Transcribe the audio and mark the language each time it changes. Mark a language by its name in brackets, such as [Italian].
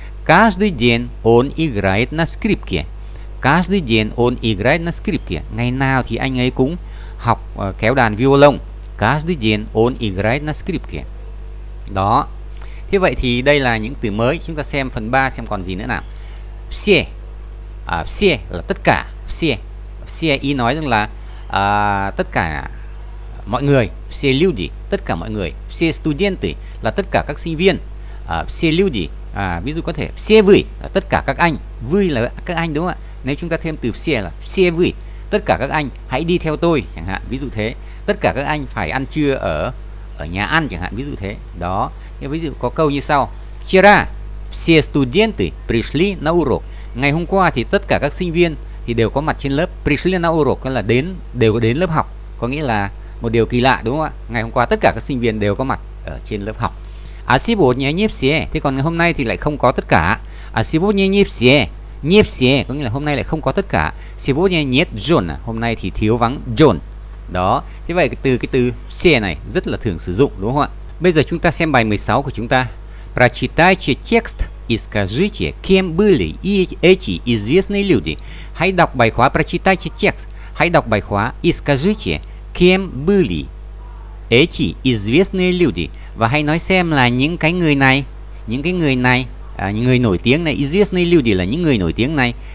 [Russian] Каждый день он играет на скрипке. Каждый день он играет на скрипке. [Vietnamese] Ngày nào thì anh ấy cũng học kéo đàn violon. [Russian] Каждый день он играет на скрипке. [Vietnamese] Đó. Thế vậy thì đây là những từ mới. Chúng ta xem phần 3 xem còn gì nữa nào. [Russian] Все. [Vietnamese] Все là tất cả. [Russian] Все. [Vietnamese] Все ý nói rằng là tất cả mọi người. [Russian] Все люди. [Vietnamese] Tất cả mọi người. [Russian] Все студенты [Vietnamese] là tất cả các sinh viên. Все люди. À, ví dụ có thể [Russian] все вы, [Vietnamese] tất cả các anh, вы là các anh đúng không ạ? Nếu chúng ta thêm từ все là [Russian] все вы, [Vietnamese] tất cả các anh hãy đi theo tôi chẳng hạn, ví dụ thế. Tất cả các anh phải ăn trưa ở ở nhà ăn chẳng hạn, ví dụ thế. Đó. Như ví dụ có câu như sau. [Russian] Вчера все студенты пришли на урок. [Vietnamese] Ngày hôm qua thì tất cả các sinh viên thì đều có mặt trên lớp. [Russian] Пришли на урок [Vietnamese] là đến, đều đến lớп học. Có nghĩa là một điều kỳ lạ đúng không ạ? Ngày hôm qua tất cả các sinh viên đều có mặt ở trên lớp học. [Russian] А сегодня не все. [Vietnamese] Thế còn ngày hôm nay thì lại không có tất cả. [Russian] А сегодня не все. Не все [Vietnamese] có nghĩa là hôm nay lại không có tất cả. [Russian] Сегодня нет John. [Vietnamese] Hôm nay thì thiếu vắng John. Đó. Thế vậy từ cái từ все này rất là thường sử dụng đúng không ạ? Bây giờ chúng ta xem bài 16 của chúng ta. [Russian] Прочитайте текст и скажите, кем были эти известные люди. [Vietnamese] Hãy đọc bài khóa. [Russian] Прочитайте текст. [Vietnamese] Hãy đọc bài khóa. [Russian] И скажите, кем были эти известные люди. [Vietnamese] Và hãy nói xem là những cái người này, những cái người này, người nổi tiếng này, [Russian] известные люди [Vietnamese] là những người nổi tiếng này.